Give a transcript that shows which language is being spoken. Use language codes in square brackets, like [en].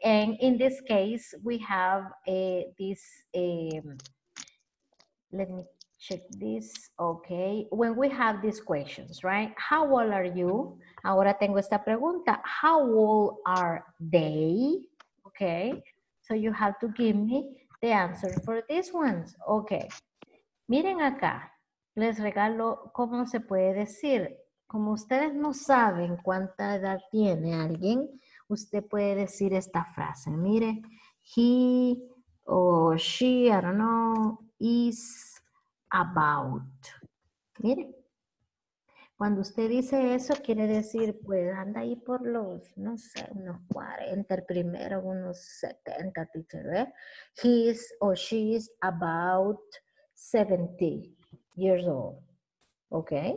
[en] And in this case, we have let me check this, okay? When we have these questions, right? How old are you? [es] Ahora tengo esta pregunta. [en] How old are they, okay? So you have to give me the answer for these ones, okay? [es] Miren acá. Les regalo, ¿cómo se puede decir? Como ustedes no saben cuánta edad tiene alguien, usted puede decir esta frase. Mire, [en] he o she, I don't know, is about. Mire. [es] Cuando usted dice eso, quiere decir, pues, anda ahí por los, no sé, unos 40, el primero, unos 70, teacher, ¿eh? [en] He's or she's about 70 years old, ¿ok?